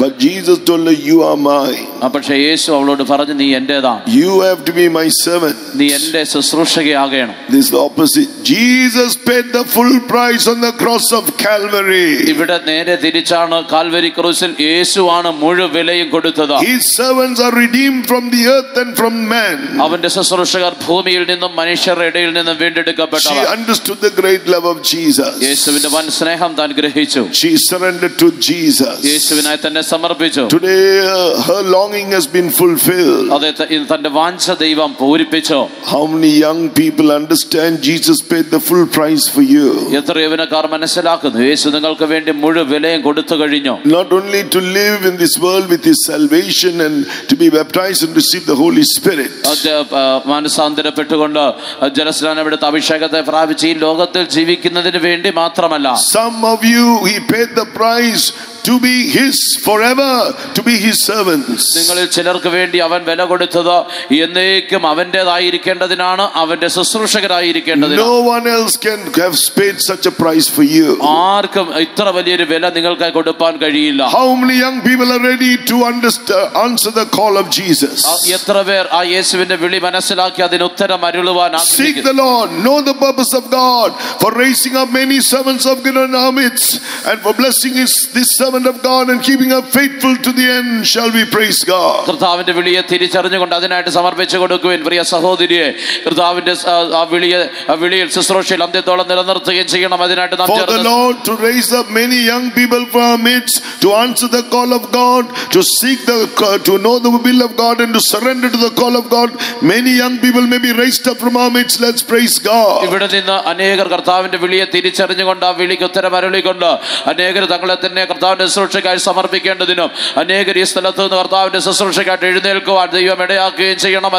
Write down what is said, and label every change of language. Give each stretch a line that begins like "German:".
English: But Jesus told her, you are mine.
Malayalam: പക്ഷേ യേശു അവളോട് പറഞ്ഞു, നീ എൻ്റെതാണ്.
English: You have to be my servant.
Malayalam: നീ എൻ്റെ ശുശ്രൂഷകയാകണം.
English: This is the opposite. Jesus paid the full price on the cross of Calvary.
Malayalam: ഇവിടെ നേരെ തിരിച്ചാണ്, കാൽവരി ക്രൂസിൽ യേശുവാണ് മുഴുവൻ വിലയും കൊടുത്തത്.
English: His servants are redeemed from the earth and from man.
Malayalam: അവന്റെ ശുശ്രൂഷകർ ഭൂമിയിൽ നിന്നും മനുഷ്യരുടെ ഇടയിൽ നിന്നും വീണ്ടെടുക്കപ്പെട്ടവർ.
English: She understood the great love of Jesus.
Malayalam: യേശുവിന്റെ വൻ സ്നേഹം താൻ ഗ്രഹിച്ചു.
English: She surrendered to Jesus.
Malayalam: യേശുവിനായി തന്നെ സമർപ്പിച്ചു.
English: Today her longing has been fulfilled.
Malayalam: അതേ തന്റെ വാഞ്ഛ ദൈവം പൂരിപ്പിച്ചു.
English: How many young people understand Jesus paid the full price for you?
Malayalam: എത്ര യുവാക്കാർ മനസ്സിലാക്കുന്നു, യേശു നിങ്ങൾക്ക് വേണ്ടി മുഴുവൻ വിലയും കൊടുത്തു കഴിഞ്ഞു.
English: Not only to live in this world with his salvation and to be baptized and receive the Holy Spirit.
Malayalam: മാനസാന്തര പെട്ടുകൊണ്ട് ജലസ്നാനം എടുത്ത് അഭിഷേകത്തെ പ്രാപിച്ച് ഈ ലോകത്തിൽ ജീവിക്കുന്നതിന് വേണ്ടി മാത്രമല്ല,
English: some of you he paid the price to be his forever, to be his servants.
Malayalam: നിങ്ങളിൽ ചിലർക്ക് വേണ്ടി അവൻ വില കൊടുത്തത് എന്നേക്കും അവന്റേതായിരിക്കേണ്ടതിനാണ്, അവന്റെ ശുശ്രൂഷകരായിരിക്കേണ്ടതിന്.
English: No one else can have paid such a price for you.
Malayalam: ആർക്കും ഇത്ര വലിയൊരു വില നിങ്ങൾക്ക് കൊടുക്കാൻ കഴിയില്ല.
English: How many young people are ready to answer the call of Jesus?
Malayalam: എത്ര പേർ ആ യേശുവിന്റെ വിളി മനസ്സിലാക്കി അതിന് ഉത്തരം അരുളുവാൻ ആഗ്രഹിക്കുന്നു?
English: Seek the Lord, know the purpose of God for raising up many servants of God in our midst and for blessing this servant of God and keeping up faithful to the end, shall we praise God.
Malayalam: കർത്താവിന്റെ വിളിയെ തിരിച്ചറിഞ്ഞുകൊണ്ട് അതിനായിട്ട് സമർപ്പിച്ചു കൊടുക്കുവിൻ പ്രിയ സഹോദരിയെ. കർത്താവിന്റെ ആ വിളിയെ ആ വിളിയിൽ ശുശ്രൂഷയിൽ അന്ത്യത്തോളം നിലനിർത്തുകയും ചെയ്യണം. അതിനായിട്ട് നാം ചേർന്ന്
English: For the Lord to raise up many young people from our midst to answer the call of God, to seek the to know the will of God and to surrender to the call of God, many young people may be raised up from our midst. Let's praise God.
Malayalam: ഇവിടെ നിന്ന് അനേകർ കർത്താവിന്റെ വിളിയെ തിരിച്ചറിഞ്ഞുകൊണ്ട് ആ വിളിക്ക് ഉത്തരം അരുളിക്കൊണ്ട് അനേകർ തങ്ങളെ തന്നെ കർത്താവിന്റെ ശുശ്രൂഷയ്ക്കായി സമർപ്പിക്കേണ്ടതിനും അനേകർ ഈ സ്ഥലത്ത് നിന്ന് കർത്താവിന്റെ ശുശ്രൂഷയ്ക്കായിട്ട് എഴുന്നേൽക്കുവാൻ ദൈവം ഇടയാക്കുകയും ചെയ്യണം.